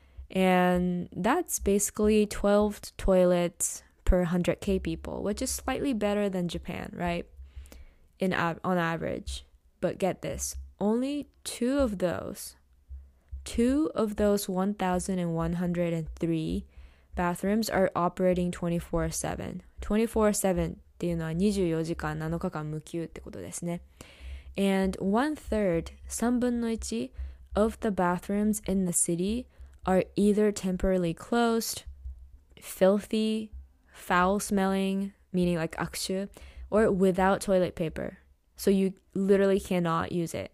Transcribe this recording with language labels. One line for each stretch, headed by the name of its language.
English: And that's basically 12 toilets per 100k people, which is slightly better than Japan, right? On average. But get this, only two of those 1,103 bathrooms are operating 24/7.
Japanese: 24/7っていうのは24時間7日間無休ってことですね。
English: And one third,
Japanese: 3分の1
English: of the bathrooms in the city are either temporarily closed, filthy,foul smelling, meaning like 悪臭, or without toilet paper, so you literally cannot use it.